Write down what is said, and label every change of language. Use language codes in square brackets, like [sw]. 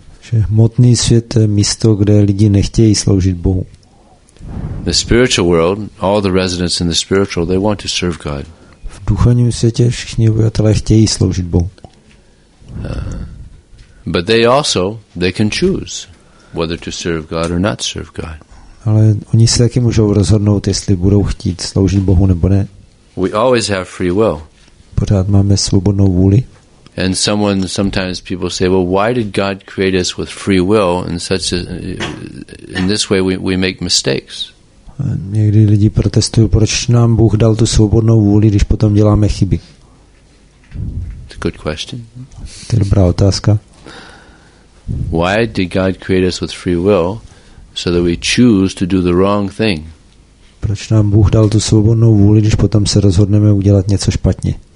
[cs] Že hmotný svět je místo, kde lidi nechtějí sloužit Bohu. [en] The spiritual world, all the residents in the spiritual, they want to serve God. [cs] V duchovním světě všichni obyvatelé chtějí sloužit Bohu. [en] But they also, they can choose whether to serve God or not serve God. [cs] Ale oni se taky můžou rozhodnout, jestli budou chtít sloužit Bohu nebo ne. [en] We always have free will. [cs] Pořád máme svobodnou vůli. [en] And someone, sometimes people say, well, why did God create us with free will in such a, in this way we make mistakes. [cs] Někdy lidi protestují, proč nám Bůh dal tu svobodnou vůli, když potom děláme chyby. [en] It's a good question. [cs] To je dobrá otázka. [en] Why did God create us with free will so that we choose to do the wrong thing? [cs] Proč nám Bůh dal tu svobodnou vůli, když potom se rozhodneme udělat něco špatně?